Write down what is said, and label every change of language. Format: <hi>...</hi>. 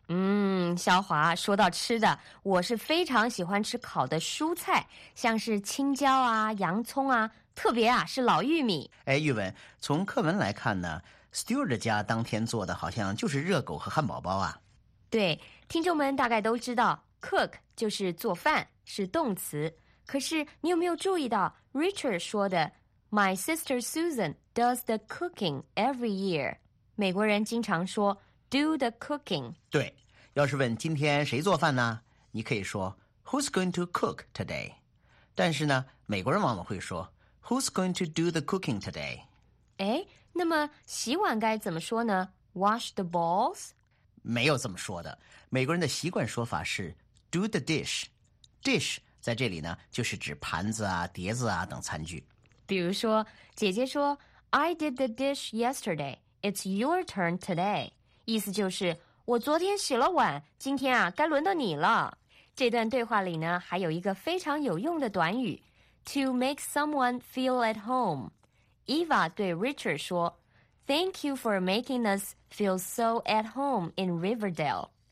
<zh>嗯，小华，说到吃的，我是非常喜欢吃烤的蔬菜，像是青椒啊、洋葱啊，特别啊是老玉米。哎，玉文，从课文来看呢， Stewart 家当天做的好像就是热狗和汉堡包啊。对，听众们大概都知道 cook 就是做饭，是动词。可是你有没有注意到 Richard 说的</zh> <en>My sister Susan does the cooking every year，</en> <zh>美国人经常说</zh> <en>do the cooking。</en> <zh>对，要是问今天谁做饭呢，你可以说</zh> <en>Who's going to cook today，</en> <zh>但是呢美国人往往会说</zh> <en>Who's going to do the cooking today?</en> <zh>哎，那么洗碗该怎么说呢？</zh> <en>Wash the balls?</en> <zh>没有这么说的。美国人的习惯说法是</zh> <en>do the dish.</en> <zh>Dish 在这里呢，就是指盘子啊、碟子啊等餐具。比如说，姐姐说</zh> <en>I did the dish yesterday. It's your turn today.</en> <zh>意思就是，我昨天洗了碗，今天啊，该轮到你了。这段对话里呢，还有一个非常有用的短语</zh> <en>To make someone feel at home. Eva</en> <zh>对</zh> <en>Richard</en> <zh>说</zh> <en>Thank you for making us feel so at home in Riverdale.</en>